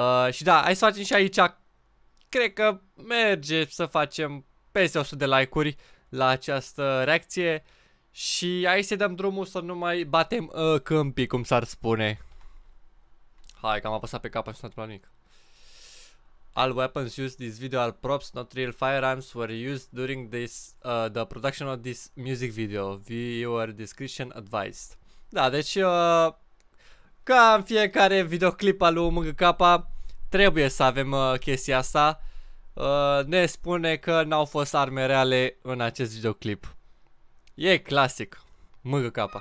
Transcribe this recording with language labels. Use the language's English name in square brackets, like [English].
[Romanian] Și da, hai să facem și aici, cred că merge să facem peste 100 de like-uri la această reacție. Și hai să dăm drumul să nu mai batem câmpii, cum s-ar spune. Hai că am apăsat pe cap, așa nu-i plănic. [English] All weapons used this video are props, not real firearms, were used during this the production of this music video. Viewer description advised. [Romanian] Da, deci ca în fiecare videoclip al lui MGK trebuie să avem chestia asta. Ne spune că n-au fost arme reale în acest videoclip. E clasic MGK.